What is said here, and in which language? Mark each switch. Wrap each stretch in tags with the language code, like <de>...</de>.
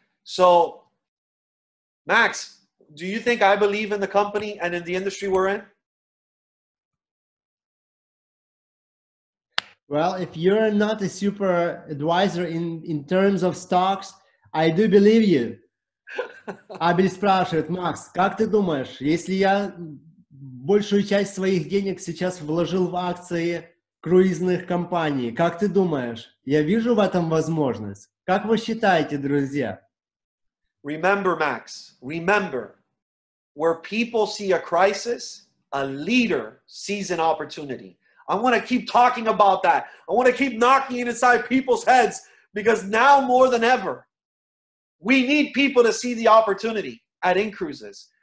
<en>So, Max, do you think I believe in the company and in the industry we're in? Well, if you're not a super advisor in terms of stocks, I do believe you.</en> <ru>Абель спрашивает, Макс, как ты думаешь, если я большую часть своих денег сейчас вложил в акции круизных компаний, как ты думаешь, я вижу в этом возможность? Как вы считаете, друзья?</ru> <en>Remember, Max, remember, where people see a crisis, a leader sees an opportunity. I want to keep talking about that. I want to keep knocking it inside people's heads because now more than ever, we need people to see the opportunity at Incruises.</en>